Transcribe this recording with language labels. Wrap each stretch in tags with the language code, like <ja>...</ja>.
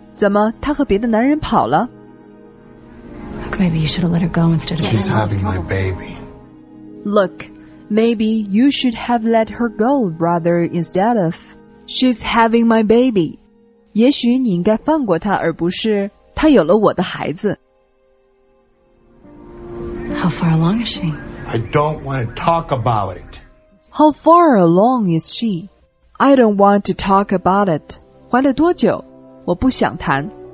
<zh>怎么她和别的男人跑了?</zh> <en>Look, maybe you should have let her go instead of... She's having my baby. Look, maybe you should have let her go rather instead of... She's having my baby.</en> <zh>也许你应该放过她，而不是她有了我的孩子。</zh> <en>How far along is she? I don't want to talk about it. How far along is she? I don't want to talk about it.</en> <zh>怀了多久？我不想谈。</zh>